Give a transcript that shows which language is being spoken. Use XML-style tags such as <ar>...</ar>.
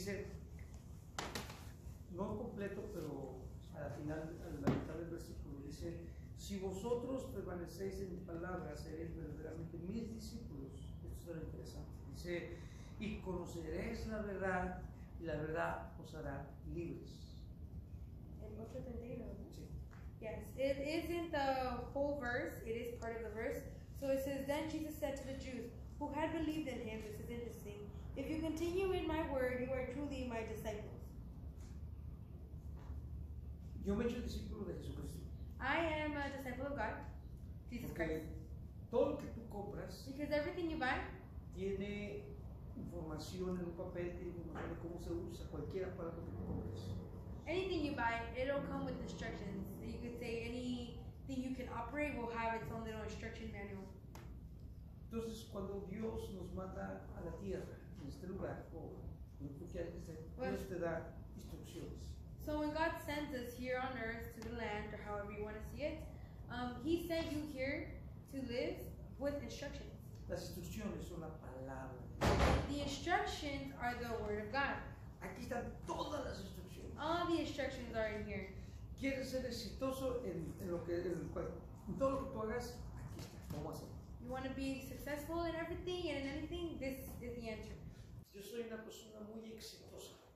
<es>Juan 8:31 dice, no completo, pero al final, a la mitad del versículo, dice, si vosotros permanecéis en mi palabra, seréis verdaderamente mis discípulos. Esto es lo interesante. Dice, y conoceréis la verdad, y la verdad os hará libres. El 8:31. Sí.</es> <en>Yes, it isn't the whole verse, it is part of the verse. So it says, then Jesus said to the Jews who had believed in him, this is interesting, if you continue in my word, you are truly my disciples.</en> <es>Yo me hecho discípulo de Jesucristo.</es> <en>I am a disciple of God, Jesus</en> <es>Porque</es> <en>Christ.</en> <es>Todo lo que tú compras,</es> <en>because everything you buy,</en> <es>tiene información en un papel, tiene información de cómo se usa cualquier aparato que tú compras.</es> <en>Anything you buy, it'll come with instructions. You could say anything you can operate will have its own little instruction manual.</en> <es>Entonces, cuando Dios nos manda a la tierra, en este lugar, Dios te da instrucciones.</es> <en>So when God sends us here on earth to the land, or however you want to see it, He sent you here to live with instructions.</en> <es>Las instrucciones son la palabra.</es> <en>The instructions are the word of God.</en> <es>Aquí están todas las instrucciones.</es> <en>All the instructions are in here.</en> <es>¿Quieres ser exitoso en todo lo que tú hagas? Aquí está. ¿Cómo hacer?</es> <en>You want to be successful in everything and in anything? This is the answer.</en> <es>Yo soy una persona muy exitosa.</es>